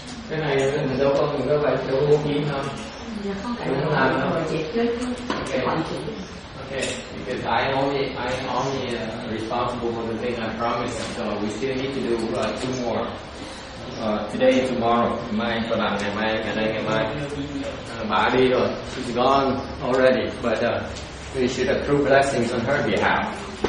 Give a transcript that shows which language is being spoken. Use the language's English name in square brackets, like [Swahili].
[Vietnamese] Cái này mình đâu có mình đâu phải đâu có kiếm đâu. [English] Okay, because I'm only responsible for the thing I promised, so we still need to do two more. today and tomorrow, [Vietnamese] hôm nay tôi làm ngày mai, ngày nay ngày mai, bà đi rồi, [English] she's gone already, but we should accrue blessings on her behalf.